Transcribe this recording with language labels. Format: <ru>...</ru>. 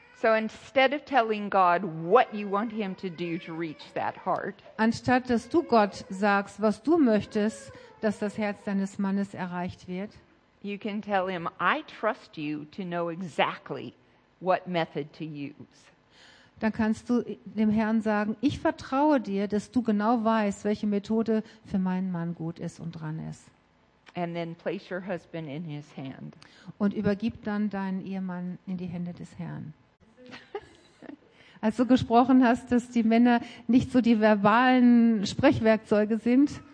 <en>So instead of telling God what you want him to do to reach that heart.</en> <de>Anstatt dass du Gott sagst, was du möchtest, dass das Herz deines Mannes erreicht wird.</de> <en>You can tell him, I trust you to know exactly what method to use.</en> <de>Dann kannst du dem Herrn sagen, ich vertraue dir, dass du genau weißt, welche Methode für meinen Mann gut ist und dran ist.</de> <en>And then place your husband in his hand.</en> <de>Und übergib dann deinen Ehemann in die Hände des Herrn. Als du gesprochen hast, dass die Männer nicht so die verbalen Sprechwerkzeuge sind.</de>